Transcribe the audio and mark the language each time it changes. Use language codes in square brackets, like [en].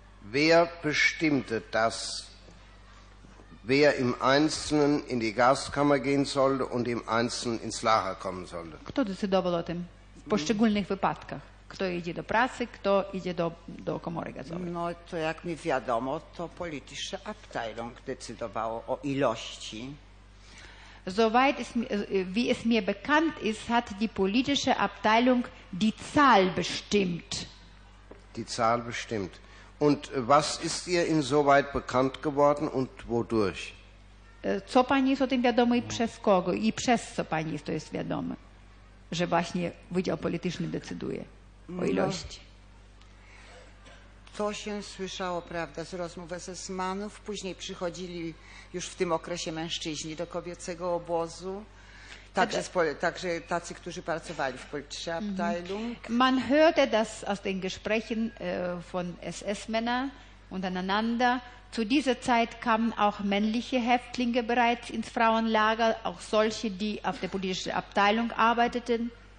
[de] Wer bestimmte das, wer im Einzelnen in die Gaskammer gehen sollte und im Einzelnen ins Lager kommen sollte? [pl] Kto decydował o tym w poszczególnych wypadkach? Kto idzie do pracy, kto idzie do komory gazowej? No to jak mi wiadomo, to polityczne Abteilung decydowało o ilości. [de] Soweit es, wie es mir bekannt ist, hat die politische Abteilung die Zahl bestimmt. Die Zahl bestimmt. Und was ist ihr insoweit bekannt geworden und wodurch? [pl] Co pani jest o tym wiadomo i przez kogo? I przez co pani jest to jest wiadomo? Że właśnie Wydział Polityczny decyduje o ilości. To się słyszało, prawda, z rozmów SS-manów. Później przychodzili już w tym okresie mężczyźni do kobiecego obozu. Także, także tacy, którzy pracowali w Politische Abteilung. [de] Man hörte das aus den Gesprächen von SS-Männern untereinander. Zu dieser Zeit kamen auch männliche Häftlinge bereits ins Frauenlager, auch solche, die auf der politischen Abteilung arbeiteten.